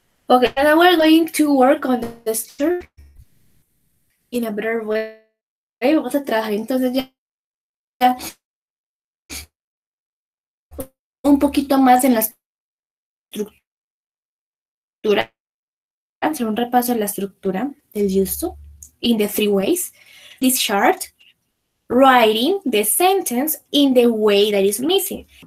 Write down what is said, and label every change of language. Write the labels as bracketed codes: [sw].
[en] Okay, now we're going to work on the story in a better way. [es] Vamos a trabajar entonces ya un poquito más en la estructura. Hacer un repaso en la estructura del uso [en] in the three ways. This chart, writing the sentence in the way that is missing.